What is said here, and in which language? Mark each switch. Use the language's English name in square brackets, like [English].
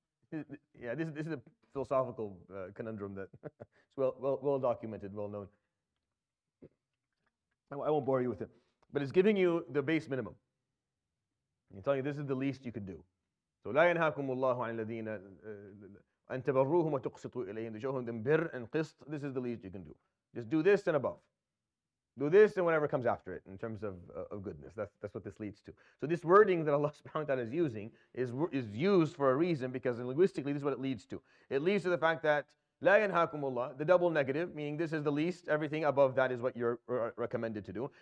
[English] this is a philosophical conundrum that is well documented, well known. I won't bore you with it. But it's giving you the base minimum. I'm telling you, this is the least you could do. [Arabic] So لا ينهاكم الله عن الذين أن تبروهم وتقسطوا إليهم. [English] To show them بر and قسط. This is the least you can do. Just do this and above. Do this and whatever comes after it in terms of goodness. That's what this leads to. So this wording that Allah subhanahu wa ta'ala is using is used for a reason, because linguistically this is what it leads to. It leads to the fact that [Arabic] لا ينهاكم الله, [English] the double negative, meaning this is the least, everything above that is what you're recommended to do.